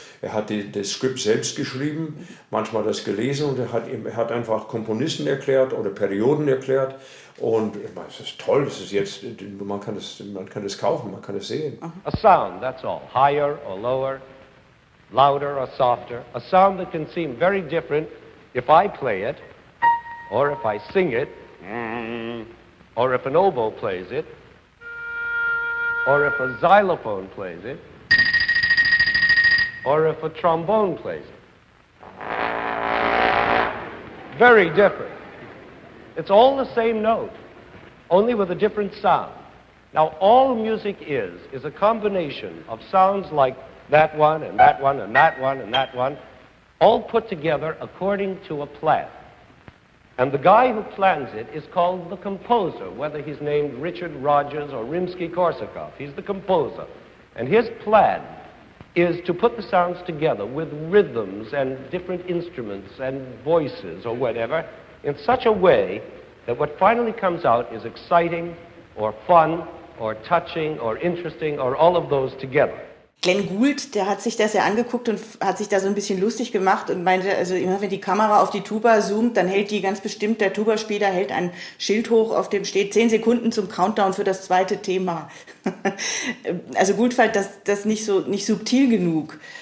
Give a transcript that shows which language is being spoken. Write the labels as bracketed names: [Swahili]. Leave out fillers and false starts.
[German] Er hat das Skript selbst geschrieben, manchmal das gelesen und er hat einfach Komponisten erklärt oder Perioden erklärt. Und ich meine, das ist toll, das ist jetzt, man kann das kaufen, man kann es sehen. [English] A sound, that's all. Higher or lower, louder or softer. A sound that can seem very different if I play it or if I sing it or if an oboe plays it. Or if a xylophone plays it, or if a trombone plays it. Very different. It's all the same note, only with a different sound. Now, all music is a combination of sounds like that one, and that one, and that one, and that one, all put together according to a plan. And the guy who plans it is called the composer, whether he's named Richard Rogers or Rimsky-Korsakov. He's the composer. And his plan is to put the sounds together with rhythms and different instruments and voices or whatever in such a way that what finally comes out is exciting or fun or touching or interesting or all of those together. [German] Glenn Gould, der hat sich das ja angeguckt und hat sich da so ein bisschen lustig gemacht und meinte, also immer wenn die Kamera auf die Tuba zoomt, dann hält die ganz bestimmt, der Tubaspieler hält ein Schild hoch, auf dem steht 10 Sekunden zum Countdown für das zweite Thema. Also Gould fand das nicht subtil genug.